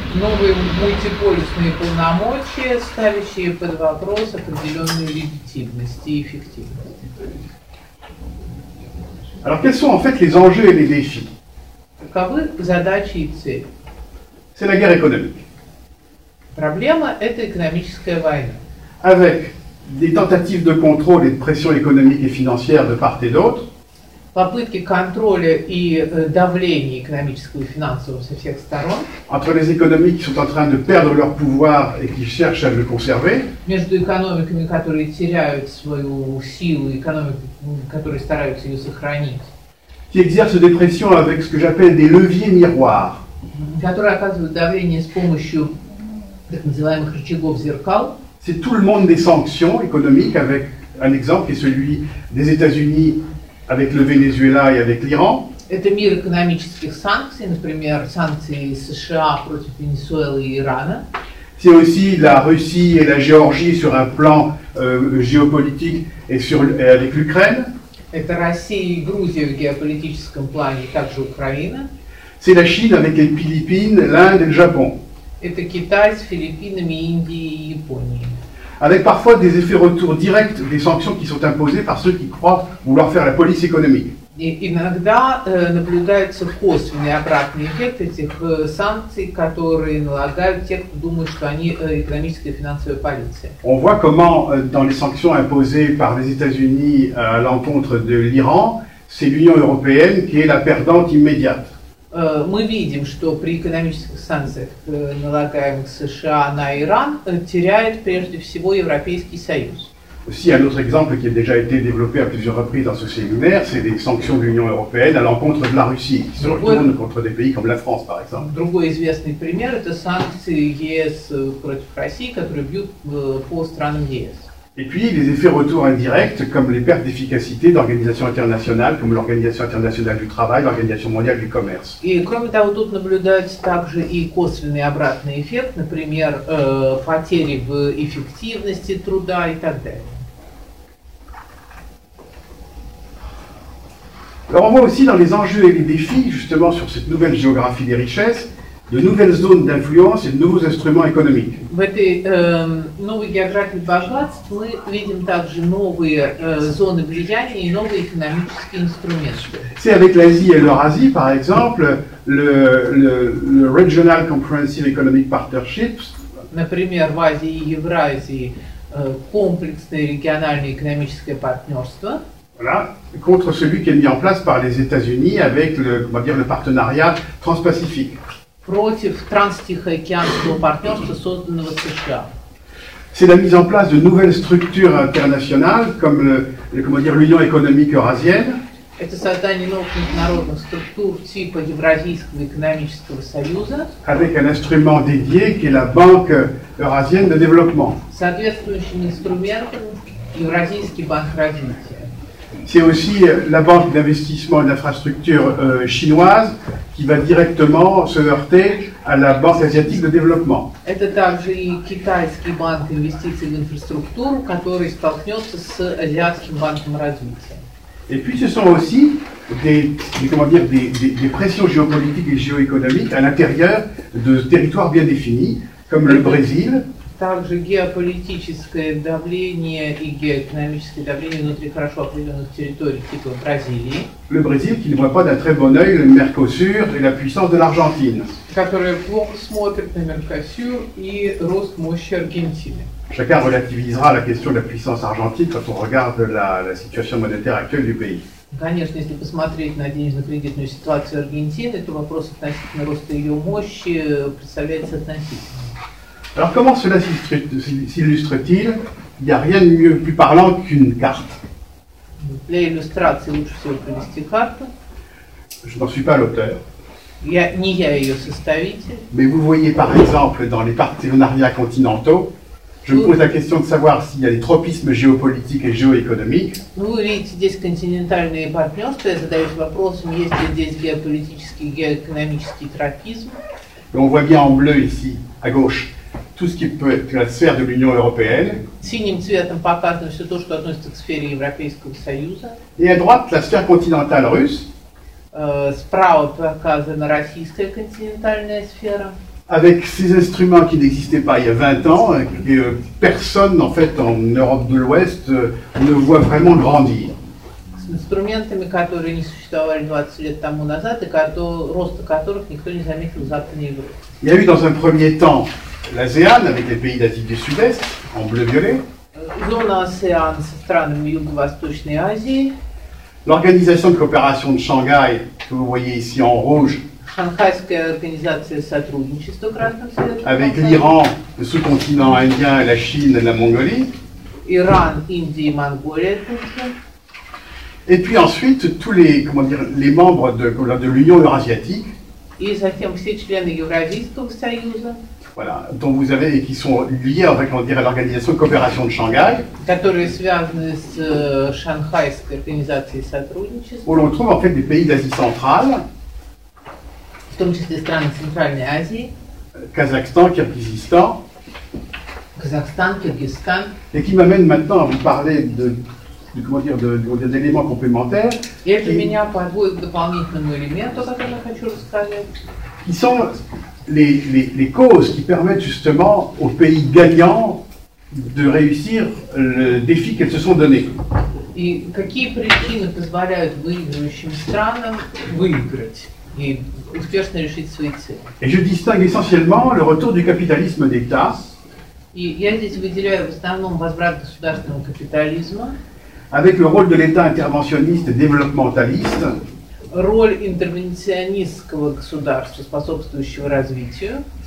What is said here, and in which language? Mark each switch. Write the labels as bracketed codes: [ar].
[ru] Новые мультиполисные полномочия, ставящие под вопрос определенную легитимность и эффективность. [fr] Alors quels sont en fait les enjeux et les défis? [ru] Каковы задачи и цели? [fr] C'est la guerre économique. [ru] Проблема – это экономическая война. [fr] Avec des tentatives de contrôle et de pression économique et financière de part et d'autre. [ru] Попытки контроля и давления экономического и финансового со всех сторон. [fr] Entre les économies qui sont en train de perdre leur pouvoir et qui cherchent à le conserver. [ru] Между экономиками, которые теряют свою силу, и экономиками, которые стараются ее сохранить. [fr] Qui exercent des pressions avec ce que j'appelle des leviers miroirs. [ru] Которые оказывают давление с помощью так называемых рычагов зеркал. [fr] C'est tout le monde des sanctions économiques avec un exemple qui est celui des États-Unis avec le Venezuela et avec l'Iran. [ru] Это мир экономических санкций, например, санкции США против Венесуэлы и Ирана. [fr] C'est aussi la Russie et la Géorgie sur un plan géopolitique et sur avec l'Ukraine. [ru] Это Россия и Грузия в геополитическом плане, также Украина. [fr] C'est la Chine avec les Philippines, l'Inde et le Japon. [ru] Это Китай с Филиппинами, Индией и Японией. [fr] Avec parfois des effets retours directs des sanctions qui sont imposées par ceux qui croient vouloir faire la police économique. [ru] Иногда наблюдаются косвенные обратные эффекты этих санкций, которые налагают те, кто думает, что они экономическая и финансовая полиция. [fr] On voit comment dans les sanctions imposées par les États-Unis à l'encontre de l'Iran, c'est l'Union européenne qui est la perdante immédiate. [ru] Мы видим, что при экономических санкциях, налагаемых США на Иран, теряет прежде всего Европейский Союз. [fr] Aussi, un autre exemple qui a déjà été développé à plusieurs reprises dans ce séminaire, c'est les sanctions de l'Union européenne à l'encontre de la Russie, qui se retournent contre des pays comme la France, par exemple. [ru] Другой известный пример – это санкции ЕС против России, которые бьют по странам ЕС. [fr] Et puis, les effets retours indirects, comme les pertes d'efficacité d'organisations internationales, comme l'Organisation internationale du travail, l'Organisation mondiale du commerce. [ru] И кроме того, тут наблюдаются также и косвенный обратный эффект, например, потери в эффективности труда и так далее. [fr] Alors on voit aussi dans les enjeux et les défis, justement, sur cette nouvelle géographie des richesses, de nouvelles zones d'influence et de nouveaux instruments économiques. [ru] В этой новой географии богатств мы видим также новые зоны влияния и новые экономические инструменты. [fr] C'est avec l'Asie et l'Eurasie, par exemple, le Regional Comprehensive Economic Partnerships. [ru] Например, в Азии и Евразии комплексное региональное экономическое партнерство. [fr] Voilà, contre celui qui est mis en place par les États-Unis avec le, comment dire, le partenariat transpacifique. [ru] Против транстихоокеанского партнерства, созданного США. [fr] C'est la mise en place de nouvelles structures internationales, comme le, comment dire, l'Union économique eurasienne. [ru] Это создание новых международных структур типа Евразийского экономического союза. [fr] Avec un instrument dédié qui est la Banque eurasienne de développement. [ru] Соответствующим инструментом Евразийский банк развития. [fr] C'est aussi la banque d'investissement et d'infrastructure chinoise qui va directement se heurter à la banque asiatique de développement. [ru] Это также и китайский банк инвестиций в инфраструктуру, который столкнется с азиатским банком развития. [fr] Et puis ce sont aussi des pressions géopolitiques et géoéconomiques à l'intérieur de territoires bien définis, comme le Brésil. [ru] Также геополитическое давление и геоэкономическое давление внутри хорошо определенных территорий, типа Бразилии. [fr] Le Brésil qui ne voit pas d'un très bon œil le Mercosur et la puissance de l'Argentine. [ru] Которые плохо смотрят на Меркосур и рост мощи Аргентины. [fr] Chacun relativisera la question de la puissance argentine quand on regarde la situation monétaire actuelle du pays. [ru] Конечно, если посмотреть на денежно-кредитную ситуацию Аргентины, то вопрос относительно роста ее мощи представляется относительно. [fr] Alors comment cela s'illustre-t-il? Il n'y a rien de mieux, plus parlant qu'une carte. [ru] Для иллюстрации лучше всего привести карту. [fr] Je n'en suis pas l'auteur. [ru] Я не я ее составитель. [fr] Mais vous voyez par exemple dans les partenariats continentaux, je me pose la question de savoir s'il y a des tropismes géopolitiques et géoéconomiques. Vous voyez ici des [ru] континентальные партнерства, я задаюсь вопросом, есть ли здесь геополитический, геоэкономический тропизм? [fr] Et on voit bien en bleu ici, à gauche. Tout ce qui peut être la sphère de l'Union européenne. [ru] Синим цветом показано все то, что относится к сфере Европейского союза. [fr] Et à droite, la sphère continentale russe. [ru] Справа показана российская континентальная сфера. [fr] Avec ces instruments qui n'existaient pas il y a 20 ans, que personne en fait en Europe de l'Ouest ne voit vraiment grandir. [ru] С инструментами, которые не существовали 20 лет тому назад, и роста которых никто не заметил в Западной Европе. [fr] Il y a eu dans un premier temps l'ASEAN avec les pays d'Asie du Sud-Est en bleu-violet. [ru] Зона ASEAN со странами Юго-Восточной Азии. [fr] L'Organisation de coopération de Shanghai que vous voyez ici en rouge. [ru] Шанхайская организация сотрудничества красным цветом. [fr] Avec l'Iran, le sous-continent indien, la Chine et la Mongolie. [ru] Иран, Индия, Монголия. [fr] Et puis ensuite tous les, comment dire, les membres de l'Union Eurasiatique. [ru] И затем все члены Евразийского союза. [fr] Voilà, dont vous avez et qui sont liés avec, on dirait, à l'Organisation de coopération de Shanghai. [ru] Которые связаны с Шанхайской организацией сотрудничества. [fr] Où l'on trouve en fait des pays d'Asie centrale. [ru] В том числе страны Центральной Азии. [fr] Kazakhstan, Kyrgyzstan. [ru] Kazakhstan, Kyrgyzstan. [fr] Et qui m'amène maintenant à vous parler d'un élément complémentaire. [ru] И это меня подводит к дополнительному элементу, который я хочу рассказать. [fr] Qui sont les causes qui permettent justement aux pays gagnants de réussir le défi qu'elles se sont donné. [ru] Et какие причины позволяют выигрывающим странам выиграть et успешно решить свои цели? [fr] Et je distingue essentiellement le retour du capitalisme d'État. [ru] И я здесь выделяю в основном возврат государственного капитализма. [fr] Avec le rôle de l'État interventionniste et développementaliste. [ru] Роль интервенционистского государства, способствующего развитию.